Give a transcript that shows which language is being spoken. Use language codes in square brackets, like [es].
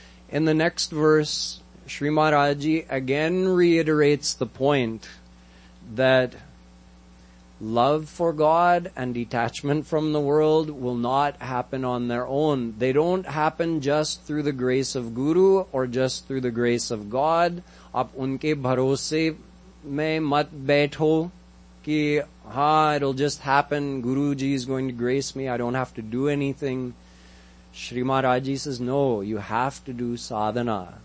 [en] In the next verse, Sri Maharaj again reiterates the point that love for God and detachment from the world will not happen on their own. They don't happen just through the grace of Guru or just through the grace of God. [hi] आप उनके भरोसे में मत बैठो. [en] It'll just happen. Guruji is going to grace me. I don't have to do anything. Sri Maharaj says, no, you have to do sadhana.